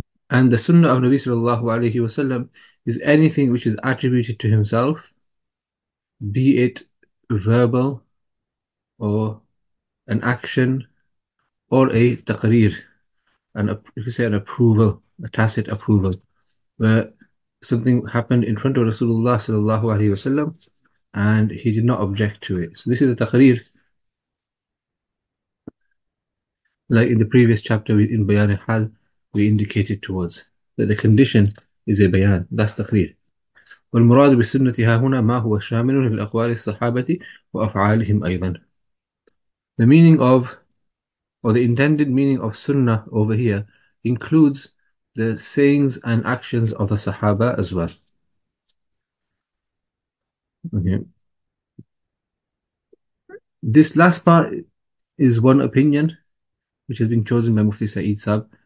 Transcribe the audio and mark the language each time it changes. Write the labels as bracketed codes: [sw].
[en] And the Sunnah of Nabi sallallahu alayhi wa sallam is anything which is attributed to himself, be it verbal or an action or a taqreer, you could say an approval, a tacit approval, where something happened in front of Rasulullah sallallahu alayhi wa sallam and he did not object to it. So this is a taqreer. Like in the previous chapter in Bayan al-Hal, we indicated towards that the condition is a bayan. That's the clear. [ar] والمراد بالسنة هاهنا ما هو شامل للأقوال الصحابة وأفعالهم أيضا. [en] The meaning of, or the intended meaning of sunnah over here, includes the sayings and actions of the Sahaba as well. Okay. This last part is one opinion, which has been chosen by Mufti Saeed Saab.